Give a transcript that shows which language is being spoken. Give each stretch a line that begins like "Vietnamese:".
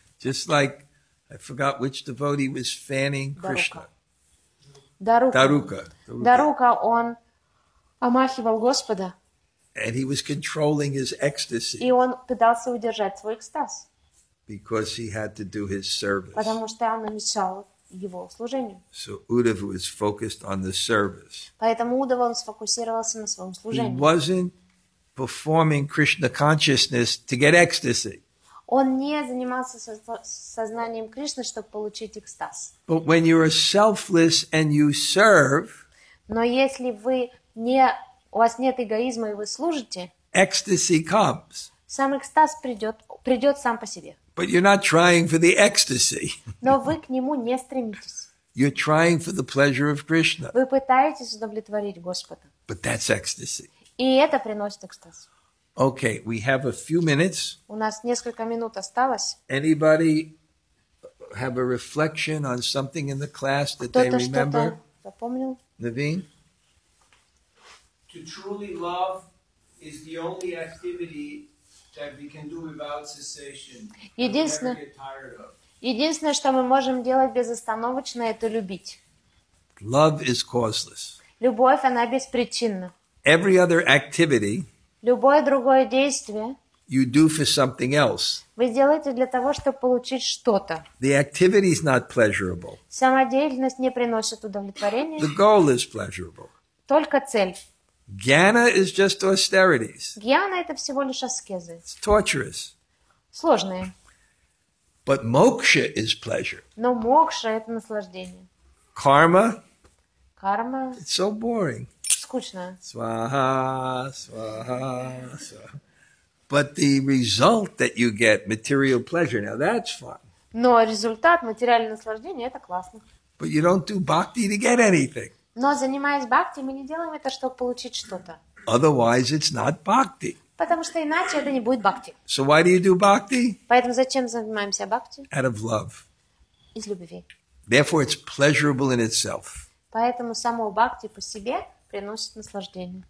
English: Just like, I forgot which devotee was fanning Krishna.
Russian: Дарука. Он омахивал Господа.
English: And he was controlling his ecstasy.
Russian: И он пытался удержать свой экстаз.
English: Because he had to do his service.
Russian: Потому что он мешал его служению.
English: So Uddhava was focused on the service.
Russian: Поэтому Удава сфокусировался на своем служении.
English: He wasn't performing Krishna consciousness to get ecstasy.
Russian: Он не занимался сознанием Кришны, чтобы получить экстаз.
English: But when you are selfless and you serve,
Russian: но если вы не, у вас нет эгоизма и вы служите,
English: ecstasy comes.
Russian: Сам экстаз придет сам по себе.
English: But you're not trying for the ecstasy.
Russian: Но вы к нему не стремитесь.
English: You're trying for the pleasure of Krishna.
Russian: Вы пытаетесь удовлетворить Господа.
English: But that's ecstasy.
Russian: И это приносит экстаз.
English: Okay, we have a few minutes.
Russian: У нас несколько минут осталось.
English: Anybody have a reflection on something in the class that they remember?
Russian: Кто-то что-то запомнил? Naveen?
English: To truly love is the only activity that we can do without cessation.
Russian: Единственное,
English: we'll never get tired of.
Russian: Единственное, что мы можем делать безостановочно, это любить.
English: Love is causeless.
Russian: Любовь, она беспричинна.
English: Every other activity,
Russian: любое другое действие,
English: you do for something else.
Russian: Вы делаете для того, чтобы получить что-то.
English: The activity is not pleasurable.
Russian: Самодеятельность не приносит удовлетворения.
English: The goal is pleasurable.
Russian: Только цель.
English: Jnana is just austerities.
Russian: Jnana – это всего лишь аскезы.
English: It's torturous.
Russian: Сложные.
English: But moksha is pleasure.
Russian: Но мокша – это наслаждение.
English: Karma? Karma. It's so boring.
Russian: Скучно.
Sanskrit: Swaha, swaha, swaha.
English: But the result that you get, material pleasure, now that's fun.
Russian: Но результат, материальное наслаждение – это классно.
English: But you don't do bhakti to get anything.
Russian: Но занимаясь бхакти, мы не делаем это, чтобы получить что-то.
English: Otherwise, it's not bhakti.
Russian: Потому что иначе это не будет бхакти.
English: So why do you do bhakti?
Russian: Поэтому зачем занимаемся бхакти?
English: Out of love.
Russian: Из любви.
English: Therefore, it's pleasurable in itself.
Russian: Поэтому само бхакти по себе приносит наслаждение.